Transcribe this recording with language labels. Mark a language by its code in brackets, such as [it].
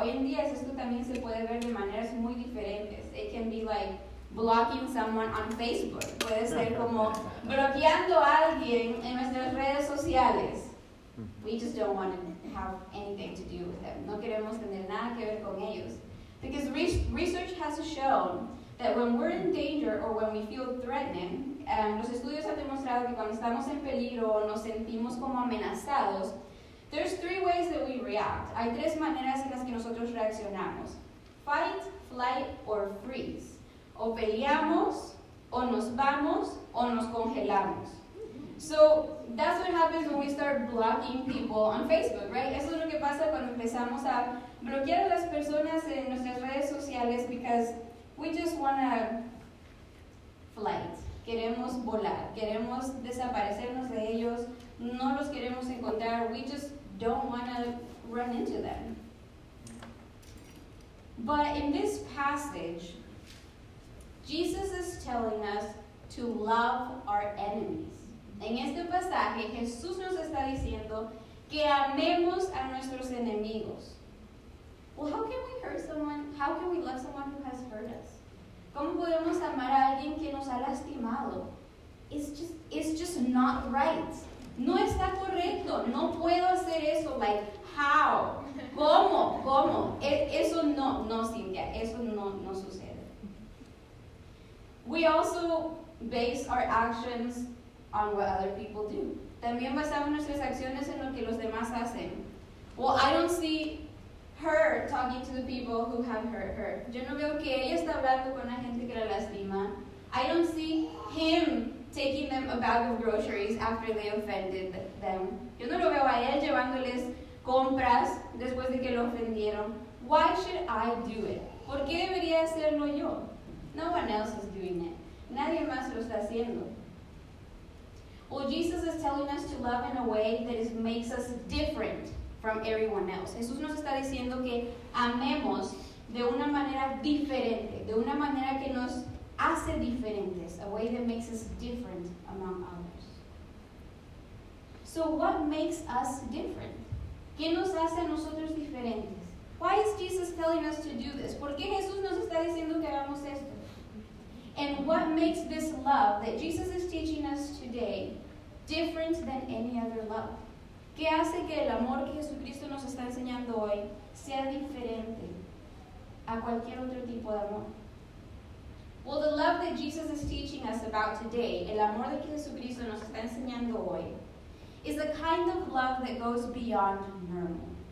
[es] Hoy en día, esto también se puede ver de maneras muy diferentes. [en] It can be like blocking someone on Facebook. [es] Puede ser como bloqueando a alguien en nuestras redes sociales. [en] We just don't want to have anything to do with them. [es] No queremos tener nada que ver con ellos. [en] Because research has shown that when we're in danger or when we feel threatened, [es] los estudios han demostrado que cuando estamos en peligro o nos sentimos como amenazados, [en] there's three ways that we react. [es] Hay tres maneras en las que nosotros reaccionamos. [en] Fight, flight, or freeze. [es] O peleamos, o nos vamos, o nos congelamos. [en] So that's what happens when we start blocking people on Facebook, right? [es] Eso es lo que pasa cuando empezamos a bloquear a las personas en nuestras redes sociales [en] because we just wanna flight. [es] Queremos volar, queremos desaparecernos de ellos, no los queremos encontrar, [en] we just don't wanna run into them. But in this passage, Jesus is telling us to love our enemies. [es] En este pasaje, Jesús nos está diciendo que amemos a nuestros enemigos. [en] Well, how can we hurt someone? How can we love someone who has hurt us? [es] ¿Cómo podemos amar a alguien que nos ha lastimado? [en] It's just not right. [es] No está correcto. No puedo hacer eso. [en] Like, how? [es] ¿Cómo? ¿Cómo? Eso no, no, Cynthia. Eso no, no sucede. [en] We also base our actions on what other people do. [es] También basamos nuestras acciones en lo que los demás hacen. [en] Well, I don't see her talking to the people who have hurt her. [es] Yo no veo que ella está hablando con la gente que la lastima. [en] I don't see him taking them a bag of groceries after they offended them. [es] Yo no lo veo a él llevándoles compras después de que lo ofendieron. [en] Why should I do it? [es] ¿Por qué debería hacerlo yo? [en] No one else is doing it. [es] Nadie más lo está haciendo. [en] Well, Jesus is telling us to love in a way that makes us different from everyone else. [es] Jesús nos está diciendo que amemos de una manera diferente, de una manera que nos hace diferentes, [en] a way that makes us different among others. So what makes us different? [es] ¿Qué nos hace a nosotros diferentes? [en] Why is Jesus telling us to do this? [es] ¿Por qué Jesús nos está diciendo que hagamos esto? [en] And what makes this love that Jesus is teaching us today different than any other love? [es] ¿Qué hace que el amor que Jesucristo nos está enseñando hoy sea diferente a cualquier otro tipo de amor? [en] Well, the love that Jesus is teaching us about today, [es] el amor que Jesucristo nos está enseñando hoy, [en] is a kind of love that goes beyond normal.